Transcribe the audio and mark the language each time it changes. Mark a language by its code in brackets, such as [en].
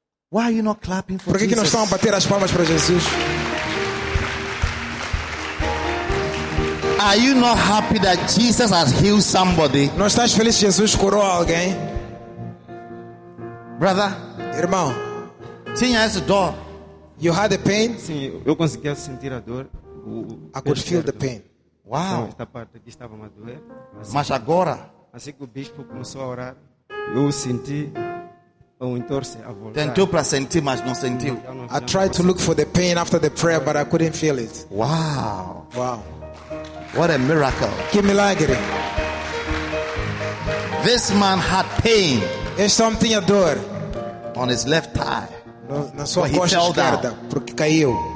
[en] Why are you not clapping for Jesus? [pt] Por que não estão a bater as palmas para Jesus? [en] Are you not happy that Jesus has healed somebody? [pt] Não estás feliz que Jesus curou alguém? [en] Brother, [pt] irmão, tinha essa dor. [en] You had the pain? [pt] Sim, eu conseguia sentir a dor. [en] I could feel the pain. Wow. [pt] Então, esta parte aqui estava a doer. Mas agora, assim que o bispo começou a orar, eu senti um entorce a voltar. Tentou para sentir, mas não sentiu. [en] I tried to look for the pain after the prayer, but I couldn't feel it. Wow. Wow. What a miracle. [pt] Que milagre. [en] This man had pain. [pt] Este homem tinha dor [en] on his left thigh. [pt] Na sua coxa esquerda, porque caiu.